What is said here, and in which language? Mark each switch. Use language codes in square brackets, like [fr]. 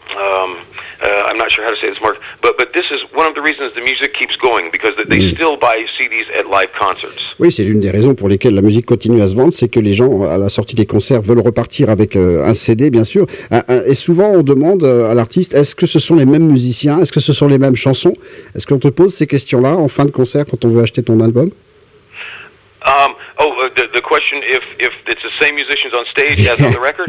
[en] I'm not sure how to say this, Mark, but this is one of the reasons the music keeps going, because they still buy CDs at live concerts. [fr] Oui, c'est l'une des raisons pour lesquelles la musique continue à se vendre, c'est que les gens, à la sortie des concerts, veulent repartir avec un CD, bien sûr. Et souvent, on demande à l'artiste, est-ce que ce sont les mêmes musiciens? Est-ce que ce sont les mêmes chansons? Est-ce qu'on te pose ces questions-là en fin de concert quand on veut acheter ton album? [en] The question if it's the same musicians on stage as on the record?